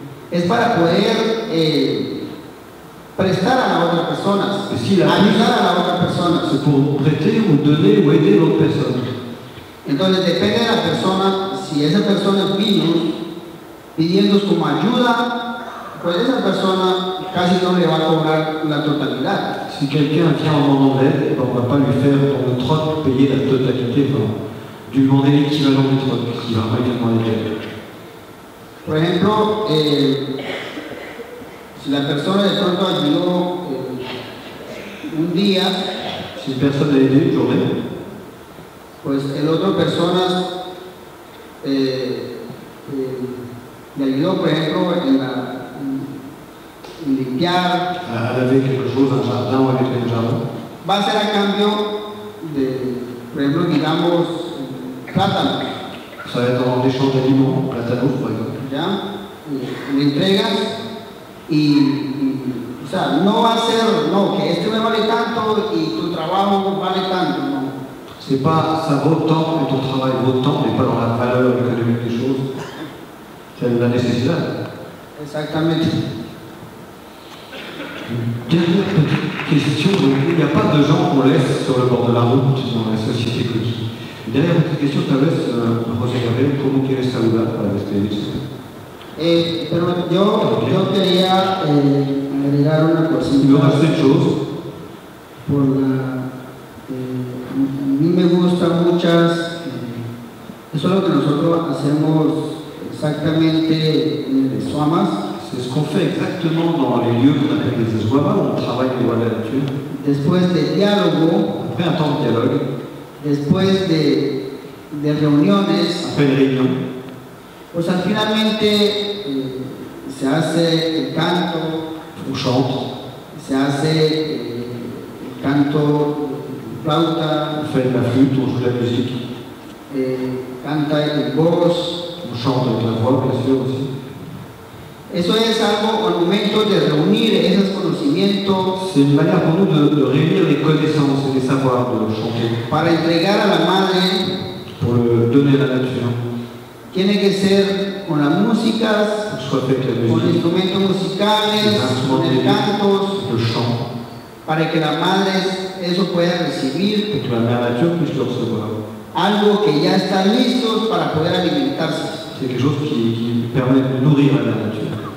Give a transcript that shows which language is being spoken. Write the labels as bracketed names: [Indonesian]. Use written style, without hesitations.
[Spanish] Es para poder prestar a la otra persona, ayudar a la otra persona. [French] C'est pour prêter ou donner ou aider l'autre personne. [Spanish] Entonces depende de la persona, si esa persona vino pidiendo como ayuda, pues esa persona casi no le va a cobrar la totalidad. [French] Si quelqu'un vient en demandant d'aide, on ne va pas lui faire pour le troc payer la totalité. Du monde l'équivalent du troc, qui va pas demander d'aide. [Spanish] Por ejemplo, si la persona de pronto ayudó un día, si la persona le ayudó un día, pues el otro persona le ayudó, por ejemplo, en limpiar, [French] a laver quelque chose, un jardin ou a nettoyer un jardin. [Spanish] Va a ser a cambio de, por ejemplo, digamos, plátano. [French] Ça va être en échange d'aliments, [Spanish] plátano, por ejemplo. Ya, le entregas y o sea, no va a ser, no, que este me vale tanto y tu trabajo vale tanto, no. [French] C'est pas, ça vaut tant et ton travail vaut tant, mais pas dans la valeur économique des choses. C'est la nécessité. Exactement. Dernière petite question, il n'y a pas de gens qu'on laisse sur le bord de la route dans la société que. Dernière petite question, [Spanish] tal vez, José Gabriel, ¿cómo quieres saludar para despedirse? Pero yo quería agregar una cosita. ¿Y lo has hecho? Por la, a mí me gustan muchas, eso es lo que nosotros hacemos exactamente en el Swamas. [French] C'est ce qu'on fait exactement dans les lieux qu'on appelle les Swamas, on travaille pour aller là-dessus. [Spanish] Después de diálogo, [French] après un temps de dialogue, [Spanish] después de reuniones, [French] après une réunion, [Spanish] pues finalmente se hace el canto, [French] on chante, [Spanish] se hace el canto flauta, [French] on fait la flûte, on joue la musique, [Spanish] canta el voz, [French] on chante avec la voix, bien sûr aussi. [Spanish] Eso es algo, el momento de reunir esos conocimientos. [French] C'est une manière pour nous de réunir les connaissances et les savoirs de chanter. [Spanish] Para entregar a la madre. [French] Pour le donner à la nature. [Spanish] Tiene que ser con las músicas. Con instrumentos musicales, con el canto. [French] Le chant. [Spanish] Para que la madre eso pueda recibir. [French] Pour que la mère nature puisse le recevoir. [Spanish] Algo que ya está listo para poder alimentarse. [French] C'est quelque chose qui permet de nourrir la nature.